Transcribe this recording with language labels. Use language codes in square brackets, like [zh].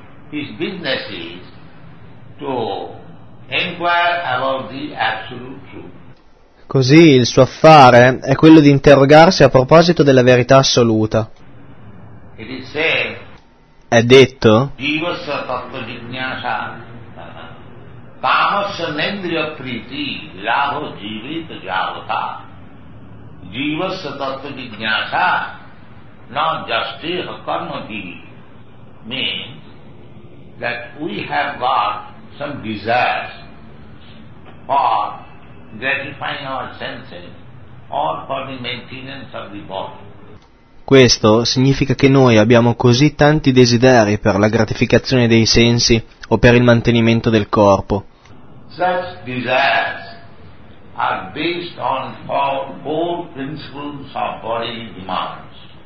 [en] His business is to inquire about the absolute truth. [it] Così il suo affare è quello di interrogarsi a proposito della verità assoluta. [en] It is said, [it] è detto [sa] Jivasya Tattva Jignasa Kamasya Nendriya Priti Labho Jivita Jagata Jivasya Tattva Jignasa Na Jastiha Karma Dhi [en] means that we have got some desires for gratifying our senses or for the maintenance of the body. [it] Questo significa che noi abbiamo così tanti desideri per la gratificazione dei sensi o per il mantenimento del corpo. [en] Such desires are based on four principles of bodily demands.